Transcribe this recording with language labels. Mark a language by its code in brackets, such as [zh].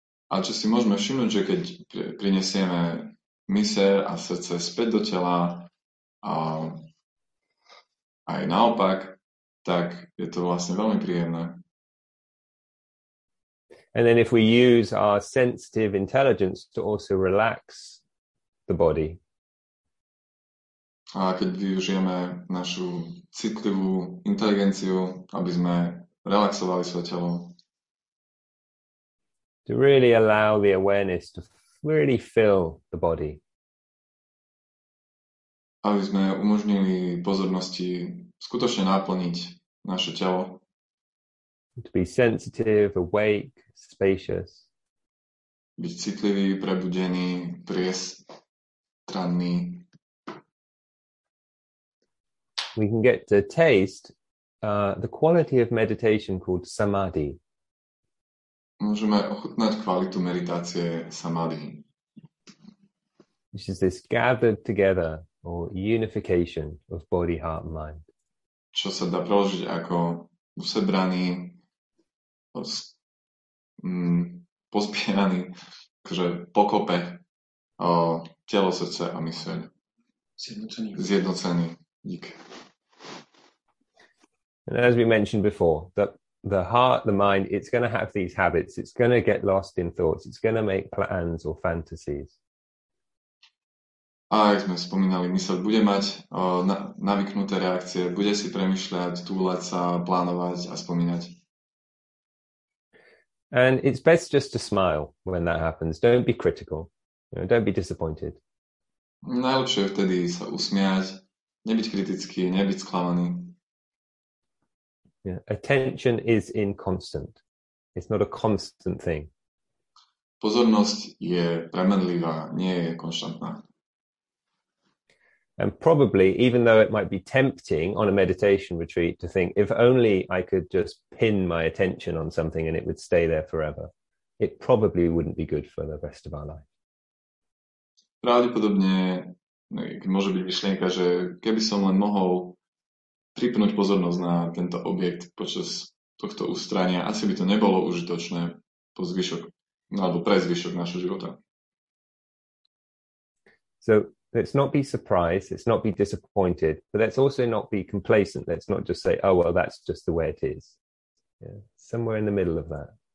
[sk] A čo si môžeme všimnúť, že keď prinesieme myseľ a srdce späť do tela a aj naopak, tak je to vlastne veľmi príjemné. [en] And then if we use our sensitive intelligence to also relax the body. [sk] A keď využijeme našu citlivú inteligenciu, aby sme relaxovali svoje telo. [en] To really allow the awareness to really fill the body. [sk] Aby sme umožnili pozornosti skutočne naplniť naše telo. [en] To be sensitive, awake, spacious. [sk] Byť citlivý, prebudený, priestranný. [en] We can get to taste the quality of meditation called samadhi. [sk] Môžeme ochutnať kvalitu meditácie samadhi. [en] Which is this gathered together or unification of body, heart and mind. [sk] Čo sa dá preložiť ako usebraný, pospieraný, akože pokope telo, srdce a myseľ. Zjednocený. Dík. [en] And as we mentioned before, the heart, the mind, it's going to have these habits. It's going to get lost in thoughts. It's going to make plans or fantasies. [sk] A ako sme spomínali, mysel bude mať navyknuté reakcie, bude si premyšľať, túlať sa, plánovať a spomínať. [en] And it's best just to smile when that happens. Don't be critical. You know, don't be disappointed. [sk] Najlepšie je vtedy sa usmiať, nebyť kritický, nebyť sklamaný. Yeah. [en] Attention is inconstant. It's not a constant thing. [sk] Pozornosť je premenlivá, nie je konštantná. [en] And probably, even though it might be tempting on a meditation retreat to think, if only I could just pin my attention on something and it would stay there forever, it probably wouldn't be good for the rest of our life. [sk] Pravdepodobne, môže byť myšlienka, že keby som len mohol pripnúť pozornosť na tento objekt počas tohto ústrania, asi by to nebolo užitočné po zvyšok, alebo pre zvyšok našho života. [en] So let's not be surprised, let's not be disappointed, but let's also not be complacent, let's not just say, oh, well, that's just the way it is. Yeah. Somewhere in the middle of that.